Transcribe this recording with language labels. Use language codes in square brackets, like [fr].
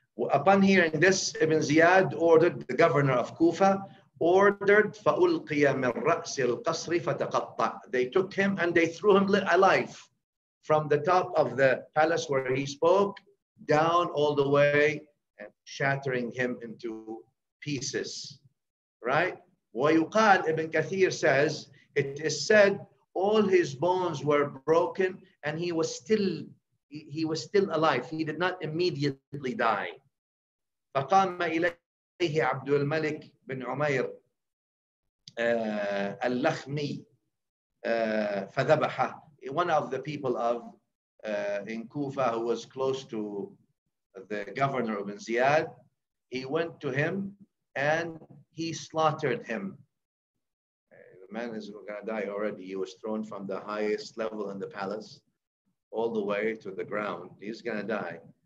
[en] Upon hearing this, Ibn Ziyad ordered, the governor of Kufa, ordered, [ar] فَأُلْقِيَ مِنْ رَأْسِ الْقَصْرِ فَتَقَطَّعَ [en] they took him and they threw him alive from the top of the palace where he spoke, down all the way, and shattering him into pieces. Right? [ar] وَيُقَالْ [en] Ibn Kathir says, it is said, all his bones were broken and he was still alive. He did not immediately die. [ar] فقام إليه عبد الملك بن عمير اللخمي فذبحه. [en] One of the people of in Kufa who was close to the governor Ibn Ziyad, he went to him and he slaughtered him. The man is going to die already. He was thrown from the highest level in the palace all the way to the ground. He's gonna die.